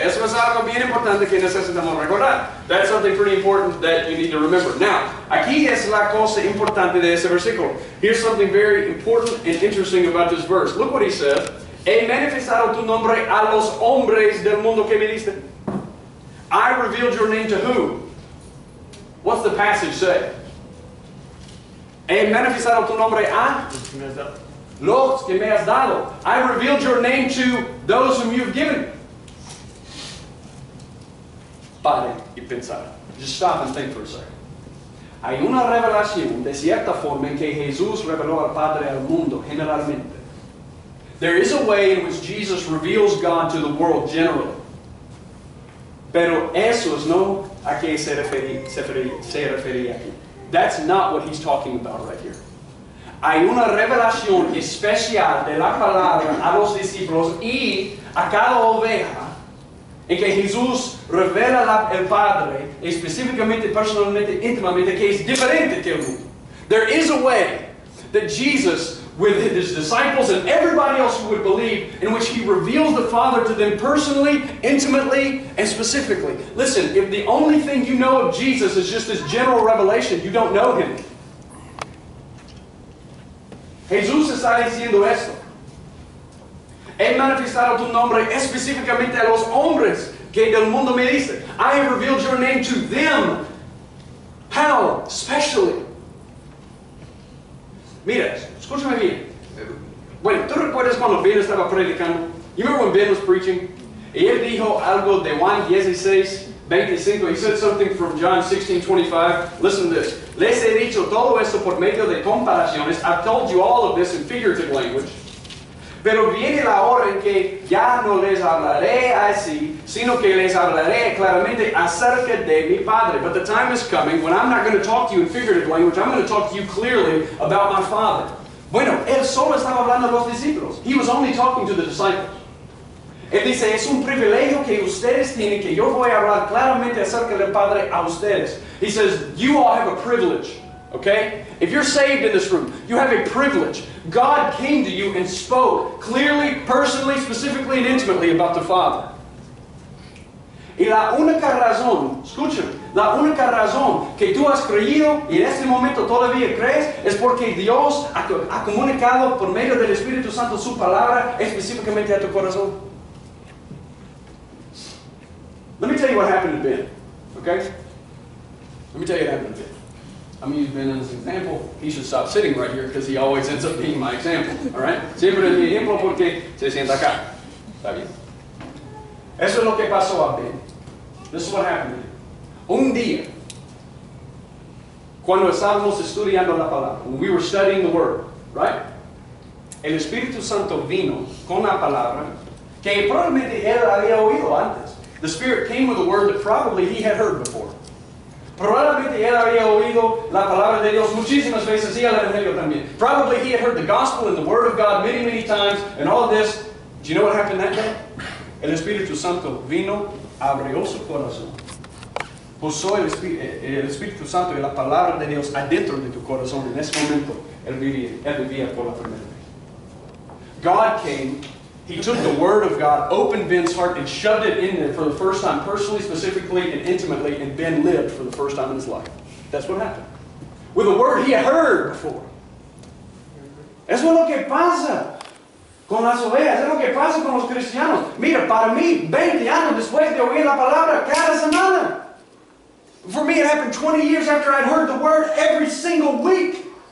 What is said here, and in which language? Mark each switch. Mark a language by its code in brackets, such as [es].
[es] Eso es algo bien importante que necesitamos recordar. [en] That's something pretty important that you need to remember. [es] Now, aquí es la cosa importante de ese versículo. [en] Here's something very important and interesting about this verse. Look what he said. [es] He manifestado tu nombre a los hombres del mundo que me diste. [en] I revealed your name to who? What's the passage say? [es] He manifestado tu nombre a los que me has dado. [en] I revealed your name to those whom you've given. [es] Pare y pensar. [en] Just stop and think for a second. [es] Hay una revelación de cierta forma en que Jesús reveló al Padre al mundo generalmente. [en] There is a way in which Jesus reveals God to the world generally. [es] Pero eso es no a qué se refería aquí. [en] That's not what he's talking about right here. [es] Hay una revelación especial de la palabra a los discípulos y a cada oveja en que Jesús revela el Padre específicamente, personalmente, íntimamente, que es diferente que el mundo. [en] There is a way that Jesus, with his disciples and everybody else who would believe, in which he reveals the Father to them personally, intimately, and specifically. Listen, if the only thing you know of Jesus is just this general revelation, you don't know him. [es] Jesús está diciendo esto. He manifestado tu nombre específicamente a los hombres que del mundo me dice. [en] I have revealed your name to them. How? Specially. [es] Mira, escúchame bien. Bueno, ¿tú recuerdas cuando Ben estaba predicando? [en] You remember when Ben was preaching? [es] Y él dijo algo de Juan 16, 25. [en] He said something from John 16, 25. Listen to this. [es] Les he dicho todo esto por medio de comparaciones. [en] I've told you all of this in figurative language. [es] Pero viene la hora en que ya no les hablaré así, sino que les hablaré claramente acerca de mi Padre. [en] But the time is coming when I'm not going to talk to you in figurative language. I'm going to talk to you clearly about my Father. [es] Bueno, él solo estaba hablando a los discípulos. [en] He was only talking to the disciples. [es] Él dice, es un privilegio que ustedes tienen que yo voy a hablar claramente acerca del Padre a ustedes. [en] He says, you all have a privilege. Okay? If you're saved in this room, you have a privilege. God came to you and spoke clearly, personally, specifically, and intimately about the Father. Y la única razón, escuchen, la única razón que tú has creído y en este momento todavía crees es porque Dios ha comunicado por medio del Espíritu Santo su palabra específicamente a tu corazón. Let me tell you what happened to Ben. Okay? Let me tell you what happened to Ben. I'm using Ben as an example. He should stop sitting right here because he always ends up being my example. All right? [es] Siempre es mi ejemplo porque se sienta acá. Está bien. Eso es lo que pasó a Ben. [en] This is what happened to him. [es] Un día, cuando estábamos estudiando la palabra, [en] when we were studying the word, right? [es] El Espíritu Santo vino con la palabra que probablemente él había oído antes. [en] The Spirit came with a word that probably he had heard before. [es] Probablemente él había oído la palabra de Dios muchísimas veces y el Evangelio también. [en] Probably he had heard the gospel and the word of God many, many times and all this. Do you know what happened that day? [es] El Espíritu Santo vino, abrió su corazón. Puso el Espíritu Santo y la palabra de Dios adentro de tu corazón. En ese momento, él vivía por la primera vez. [en] God came, he took the word of God, opened Ben's heart, and shoved it in there for the first time, personally, specifically, and intimately, and Ben lived for the first time in his life. That's what happened. With a word he had heard before. [es] Eso es lo que pasa con las ovejas, eso es lo que pasa con los cristianos. Mira, para mí, 20 años después de oír la palabra cada semana. [en] For me, it happened 20 years after I'd heard the word every single week.